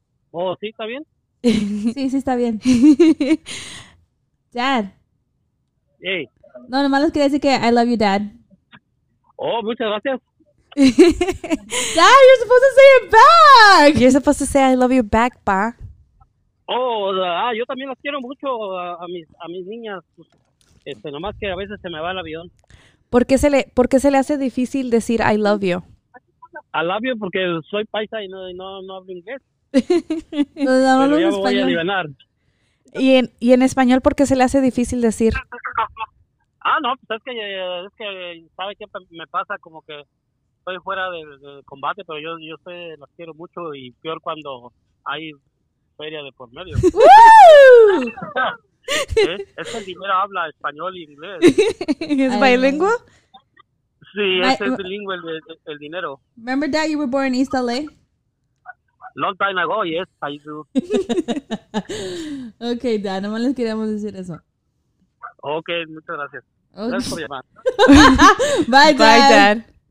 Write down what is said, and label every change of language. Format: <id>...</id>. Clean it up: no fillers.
<es>Oh, ¿sí? ¿Está bien? Sí, está bien. Dad.</es> <en>Hey.</en> <es>No, nomás les quería decir que</es> <en>I love you, Dad.</en> <es>Oh, muchas gracias.</es> <en>Dad, you're supposed to say it back. You're supposed to say I love you back, pa.</en> <es>Oh, yo también las quiero mucho a mis niñas. Nomás que a veces se me va el avión. ¿Por qué se le hace difícil decir</es> <en>I love you? I love you</en> <es>porque soy paisa y no hablo inglés. No, no, no, ya me voy a aliviar. ¿Y en español por qué se le hace difícil decir? Ah, no, pues es que ¿sabe qué me pasa? Como que estoy fuera de combate, pero yo sé, las quiero mucho, y peor cuando hay feria de por medio. Es que el dinero habla español e inglés. ¿Es bilingüe? Sí, es bilingüe el dinero.</es> <en>Remember that you were born in East L.A.? Long time ago, yes, I do. Okay, Dad,</en> <es>nomás les queríamos decir eso. Okay, muchas gracias. Okay. Gracias por llamar.</es> <en>Bye, Dad.</en>